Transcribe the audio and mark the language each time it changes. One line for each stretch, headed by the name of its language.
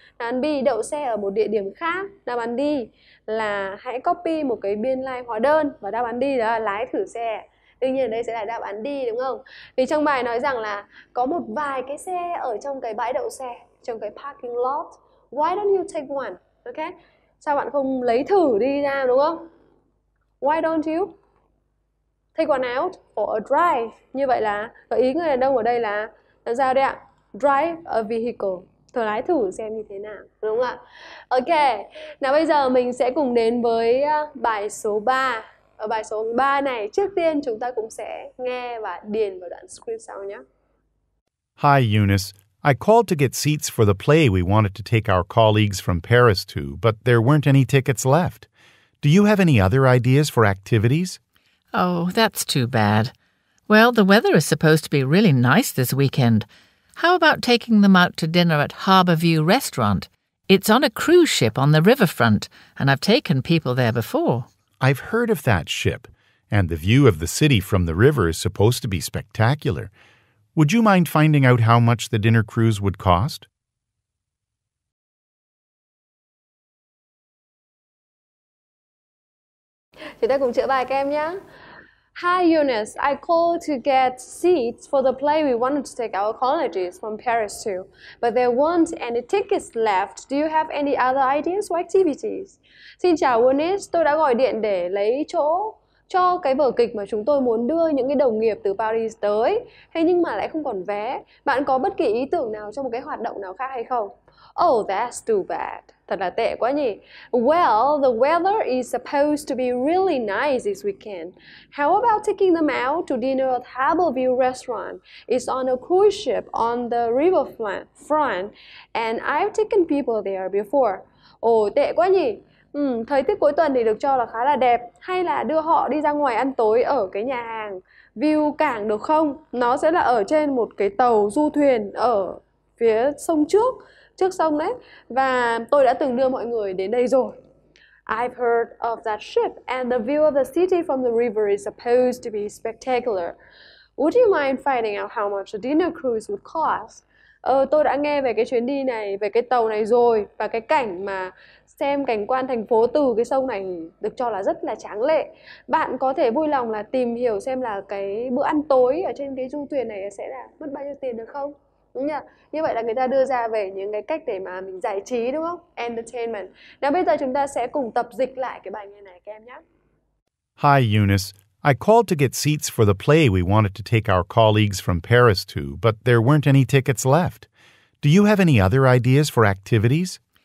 Vietnamese: Đáp án B, đậu xe ở một địa điểm khác. Đáp án D là hãy copy một cái biên lai hóa đơn. Và đáp án D đó là lái thử xe. Đương nhiên đây sẽ là đáp án D đúng không? Vì trong bài nói rằng là có một vài cái xe ở trong cái bãi đậu xe, trong cái parking lot.
English: Why don't you take one? Okay?
Vietnamese: Sao bạn không lấy thử đi ra đúng không?
English: Why don't you take one out for a drive?
Vietnamese: Như vậy là gợi ý người đàn ông ở đây là làm sao đây ạ?
English: Drive a vehicle,
Vietnamese: thử lái thử xem như thế nào, đúng không ạ? Ok, nào bây giờ mình sẽ cùng đến với bài số 3. Ở bài số 3 này, trước tiên chúng ta cũng sẽ nghe và điền vào đoạn script sau nhé.
English: Hi Eunice, I called to get seats for the play we wanted to take our colleagues from Paris to, but there weren't any tickets left. Do you have any other ideas for activities? Oh, that's too bad. Well, the weather is supposed to be really nice this weekend. How about taking them out to dinner at Harbour View Restaurant? It's on a cruise ship on the riverfront, and I've taken people there before. I've heard of that ship, and the view of the city from the river is supposed to be spectacular. Would you mind finding out how much the dinner cruise would cost?
Vietnamese: Chúng ta cùng chữa bài các em nhé.
English: Hi Eunice, I called to get seats for the play we wanted to take our colleagues from Paris to, but there weren't any tickets left. Do you have any other ideas or activities?
Vietnamese: Xin chào Eunice, tôi đã gọi điện để lấy chỗ cho cái vở kịch mà chúng tôi muốn đưa những cái đồng nghiệp từ Paris tới, hay nhưng mà lại không còn vé. Bạn có bất kỳ ý tưởng nào cho một cái hoạt động nào khác hay không?
English: Oh, that's too bad.
Vietnamese: Thật là tệ quá nhỉ.
English: Well, the weather is supposed to be really nice this weekend. How about taking them out to dinner at Harbour View Restaurant? It's on a cruise ship on the riverfront, and I've taken people there before.
Vietnamese: Oh, tệ quá nhỉ. Thời tiết cuối tuần thì được cho là khá là đẹp. Hay là đưa họ đi ra ngoài ăn tối ở cái nhà hàng View Cảng được không? Nó sẽ là ở trên một cái tàu du thuyền ở phía sông trước. Trước sông đấy. Và tôi đã từng đưa mọi người đến đây rồi.
English: I've heard of that ship and the view of the city from the river is supposed to be spectacular. Would you mind finding out how much a dinner cruise would cost?
Vietnamese: Tôi đã nghe về cái chuyến đi này, về cái tàu này rồi. Và cái cảnh mà xem cảnh quan thành phố từ cái sông này được cho là rất là tráng lệ. Bạn có thể vui lòng là tìm hiểu xem là cái bữa ăn tối ở trên cái du thuyền này sẽ là mất bao nhiêu tiền được không? Đúng nhỉ? Như vậy là người ta đưa ra về những cái cách để mà mình giải trí đúng không? Entertainment. Nào bây giờ chúng ta sẽ cùng tập dịch lại cái bài nghe này các em nhé.
English: Hi Eunice, I called to get seats for the play we wanted to take our colleagues from Paris to, but there weren't any tickets left. Do you have any other ideas for activities?